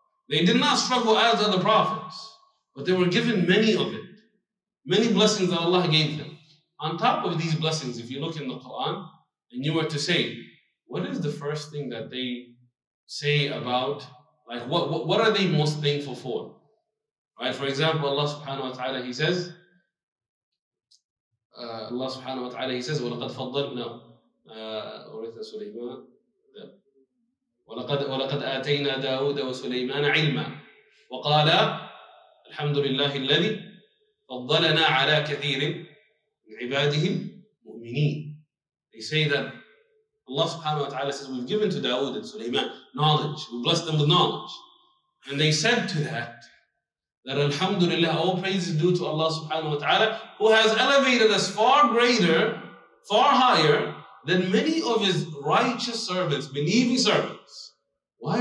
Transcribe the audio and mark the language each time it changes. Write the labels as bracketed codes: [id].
[en] They did not struggle as other prophets, but they were given many of it. Many blessings that Allah gave them. On top of these blessings, if you look in the Quran, and you were to say, what is the first thing that they say about, like what are they most thankful for? Right, for example, Allah subhanahu wa ta'ala, he says, [ar] Allah subhanahu wa ta'ala, he says, وَلَقَدْ فَضَّلْنَا وَرِثَ سُلَيْمَانَ وَلَقَدْ آتَيْنَا دَاوُدَ وَسُلَيْمَانَ عِلْمًا وَقَالَا الْحَمْدُ لِلَّهِ الَّذِي فَضَّلَنَا عَلَى كَثِيرٍ مِنْ عِبَادِهِمْ مُؤْمِنِينَ. [en] They say that Allah subhanahu wa ta'ala says, we've given to Dawood and Sulaiman knowledge, we blessed them with knowledge. And they said to that alhamdulillah, all praise is due to Allah subhanahu wa ta'ala, who has elevated us far greater, far higher than many of his righteous servants, believing servants. Why?